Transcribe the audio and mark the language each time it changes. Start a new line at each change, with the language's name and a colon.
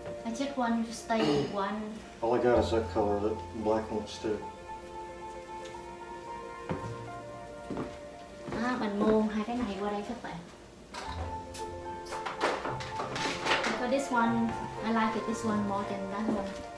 English: All I got is that color, that black one stick.
Vietnamese: Mình mua hai cái này qua đây các bạn.
English: For this one, I like it, this one more than that one.